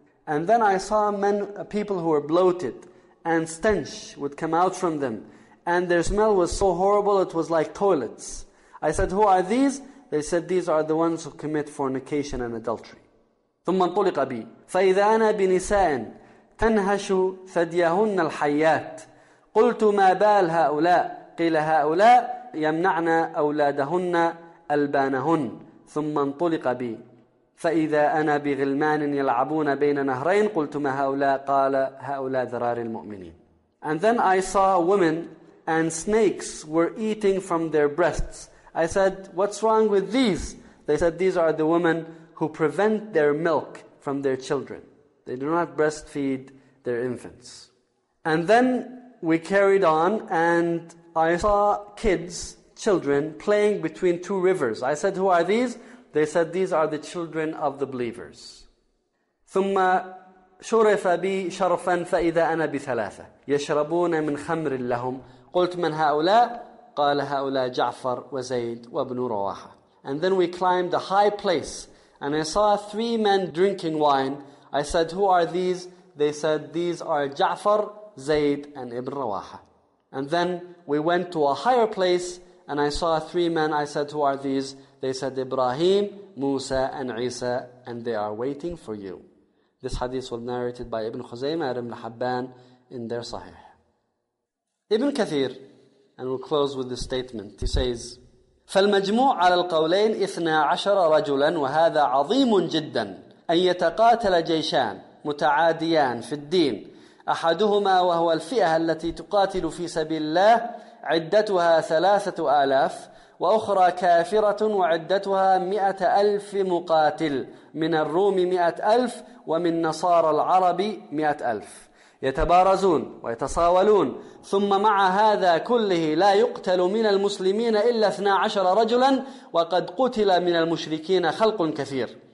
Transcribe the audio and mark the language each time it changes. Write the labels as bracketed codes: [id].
[en] And then I saw men, people who were bloated, and stench would come out from them, and their smell was so horrible, it was like toilets. I said, who are these? They said, these are the ones who commit fornication and adultery. [ar] ثُمَّ انْطُلِقَ بِي فَإِذَا أَنَا بِنِسَاءٍ أنهشوا ثديهن الحيات. قلت ما بال هؤلاء؟ قيل هؤلاء يمنعن أولادهن ألبانهن. ثم انطلق بي فإذا أنا بغلمان يلعبون بين نهرين. قلت ما هؤلاء؟ قال هؤلاء ذرار المؤمنين. [en] And then I saw women and snakes were eating from their breasts. I said, what's wrong with these? They said, these are the women who prevent their milk from their children. They do not breastfeed their infants. And then we carried on and I saw kids, children, playing between two rivers. I said, who are these? They said, these are the children of the believers. [ar] ثم شرف بي شرفا فإذا أنا بثلاثة يشربون من خمر لهم. قلت من هؤلاء؟ قال هؤلاء جعفر وزيد وابن رواحة. [en] And then we climbed a high place and I saw three men drinking wine. I said, who are these? They said, these are Ja'far, Zayd, and Ibn Rawaha. And then we went to a higher place and I saw three men. I said, who are these? They said, Ibrahim, Musa, and Isa, and they are waiting for you. This hadith was narrated by Ibn Khuzaymah and Ibn Habban in their Sahih. Ibn Kathir, and we'll close with this statement, he says, [ar] فالمجموع على القولين 12 رجلا وهذا عظيم جدا أن يتقاتل جيشان متعاديان في الدين أحدهما وهو الفئة التي تقاتل في سبيل الله عدتها 3,000 وأخرى كافرة وعدتها 100,000 مقاتل من الروم 100,000 ومن نصارى العرب 100,000 يتبارزون ويتصاولون ثم مع هذا كله لا يقتل من المسلمين إلا 12 رجلا وقد قتل من المشركين خلق كثير.